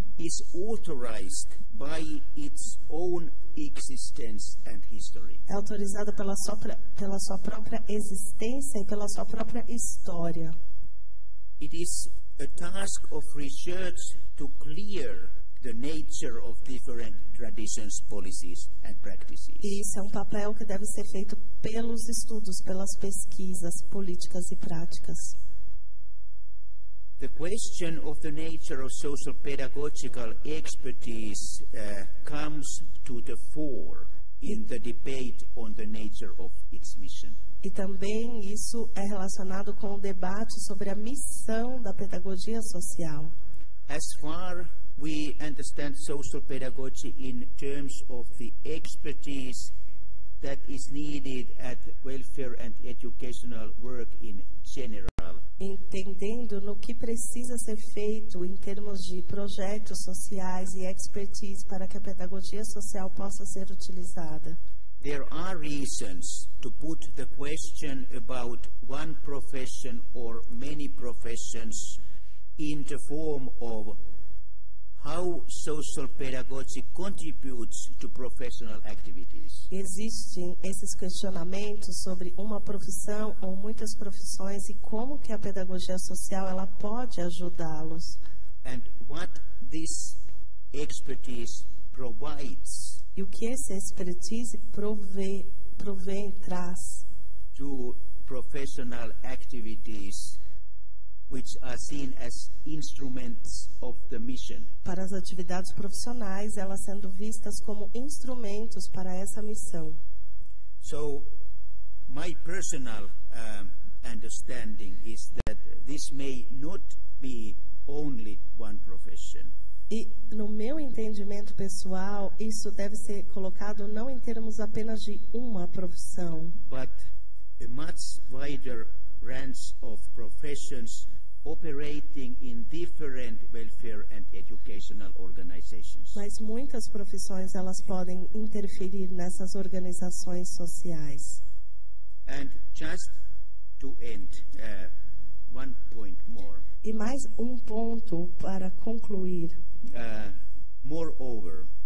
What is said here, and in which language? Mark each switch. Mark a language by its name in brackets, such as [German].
[English] is authorized by its own existence and history. [Portuguese] É autorizada pela sua própria existência e pela sua própria história. [English] It is a task of research to clear the nature of different traditions, policies and practices. [Portuguese] Isso é um papel que deve ser feito pelos estudos, pelas pesquisas, políticas e práticas. [English] The question of the nature of social pedagogical expertise comes to the fore in the debate on the nature of its mission. [Portuguese] E também isso é relacionado com o debate sobre a missão da pedagogia social. [English] As far we understand social pedagogy in terms of the expertise that is needed at welfare and educational work in general. [Portuguese] Entendendo no que precisa ser feito em termos de projetos sociais e expertise para que a pedagogia social possa ser utilizada. [English] There are reasons to put the question about one profession or many professions in the form of how social pedagogy contributes to professional activities. [Portuguese] Existem esses questionamentos sobre uma profissão ou muitas profissões e como que a pedagogia social ela pode ajudá-los. [English] And what this expertise provides. [Portuguese] E o que essa expertise provém, traz [English] to professional activities which are seen as instruments of the mission. [Portuguese] Para as atividades profissionais, elas sendo vistas como instrumentos para essa missão. [English] So my personal understanding is that this may not be only one profession. [Portuguese] E no meu entendimento pessoal, isso deve ser colocado não em termos apenas de uma profissão, [English] but a much wider range of professions operating in different welfare and educational organizations. [Portuguese] Mas muitas profissões, elas podem interferir nessas organizações sociais. [English] And just to end, one point more. [Portuguese] E mais um ponto para concluir. [English] Moreover,